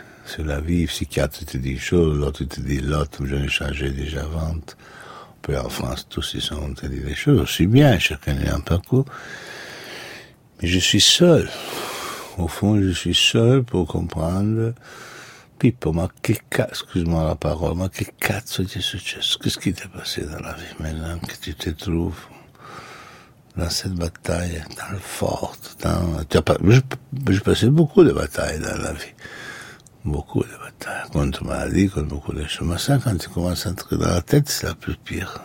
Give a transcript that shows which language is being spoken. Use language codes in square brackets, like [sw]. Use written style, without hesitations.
[fr] Sur la vie, le psychiatre te dit une chose, l'autre te dit l'autre, j'en ai changé déjà 20. Puis en France, tous ils ont te dit des choses. Je suis bien, chacun a un parcours. Mais je suis seul. Au fond, je suis seul pour comprendre. [it] Pipo, ma che cazzo, [fr] excuse-moi la parole, [it] ma che cazzo ti è successo? [fr] Qu'est-ce qui t'est passé dans la vie maintenant que tu te trouves dans cette bataille, dans le fort, dans... J'ai passé beaucoup de batailles dans la vie. Beaucoup de batailles. Contre maladie, contre beaucoup de choses. Mais ça, quand tu commences à entrer dans la tête, c'est la plus pire.